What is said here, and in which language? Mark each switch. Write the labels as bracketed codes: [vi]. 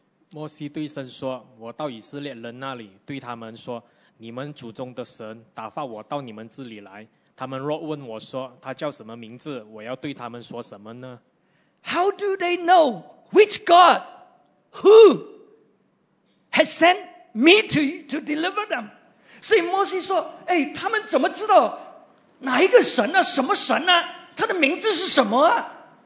[zh] 摩西对神说，我到以色列人那里对他们说， 你们祖宗的神打发我到你们这里来，他们若问我说，他叫什么名字，我要对他们说什么呢？ [en] How do they know which God, who has sent me to deliver them? [zh] 所以摩西说，哎，他们怎么知道哪一个神呢？什么神呢？他的名字是什么啊？